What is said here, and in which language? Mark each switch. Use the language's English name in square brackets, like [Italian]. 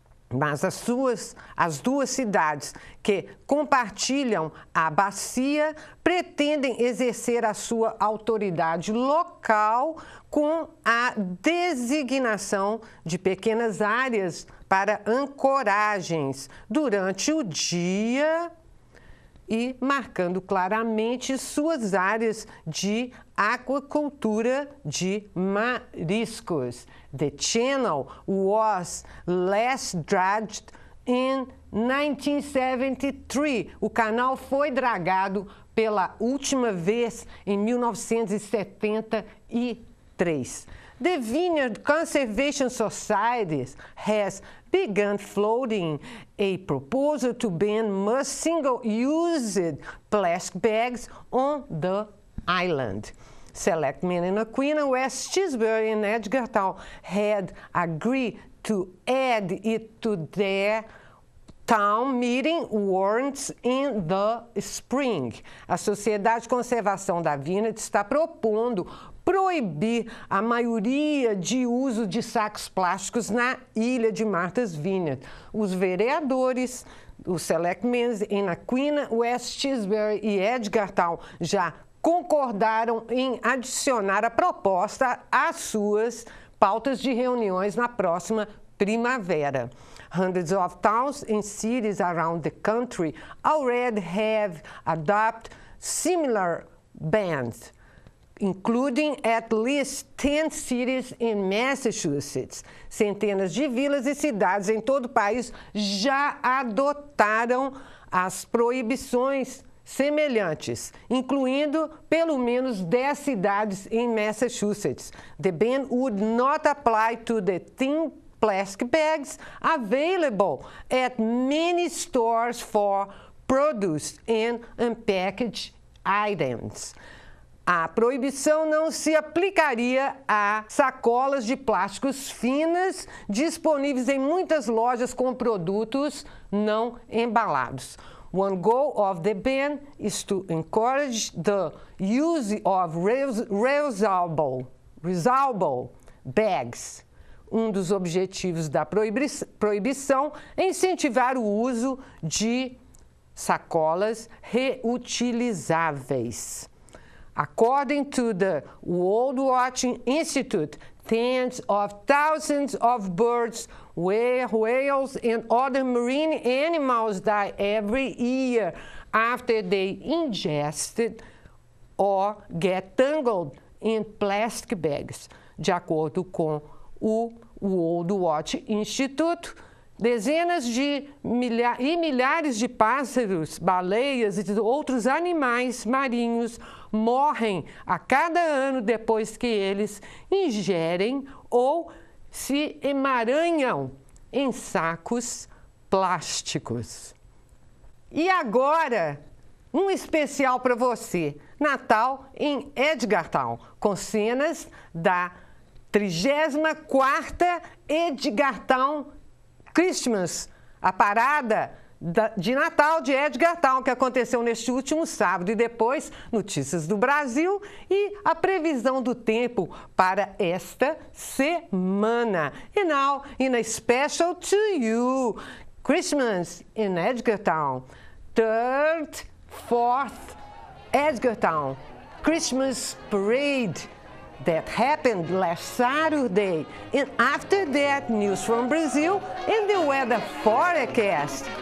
[Portuguese] Mas as duas cidades que compartilham a bacia pretendem exercer a sua autoridade local com a designação de pequenas áreas para ancoragens durante o dia e marcando claramente suas áreas de aquacultura de mariscos. [English] The channel was last dredged in 1973. [Portuguese] O canal foi dragado pela última vez em 1973. [English] The Vineyard Conservation Society has begun floating a proposal to ban most single-used plastic bags on the island. Selectmen in Aquina, West Chisbury and Edgartown had agreed to add it to their town meeting warrants in the spring. [Portuguese] A Sociedade de Conservação da Vineyard está propondo proibir a maioria de uso de sacos plásticos na ilha de Martha's Vineyard. Os vereadores, os selectmen em Aquina, West Chisbury e Edgartown já concordaram em adicionar a proposta às suas pautas de reuniões na próxima primavera. [English] Hundreds of towns and cities around the country already have adopted similar bans, including at least 10 cities in Massachusetts. [Portuguese] Centenas de vilas e cidades em todo o país já adotaram as proibições semelhantes, incluindo pelo menos 10 cidades em Massachusetts. [English] The ban would not apply to the thin plastic bags available at many stores for produce and unpackaged items. [Portuguese] A proibição não se aplicaria a sacolas de plásticos finas disponíveis em muitas lojas com produtos não embalados. [English] One goal of the ban is to encourage the use of reusable bags. [Portuguese] Um dos objetivos da proibição é incentivar o uso de sacolas reutilizáveis. [English] According to the World Watch Institute, tens of thousands of birds, whales, and other marine animals die every year after they ingest or get tangled in plastic bags. [Portuguese] De acordo com o World Watch Institute, dezenas de milhares de pássaros, baleias e outros animais marinhos morrem a cada ano depois que eles ingerem ou se emaranham em sacos plásticos. E agora, um especial para você, Natal em Edgartown, com cenas da 34ª Edgartown Christmas, a parada de Natal de Edgartown, que aconteceu neste último sábado, e depois notícias do Brasil e a previsão do tempo para esta semana. [English] E now, in a special to you, Christmas in Edgartown, 34th Edgartown Christmas Parade that happened last Saturday. And after that, news from Brazil and the weather forecast.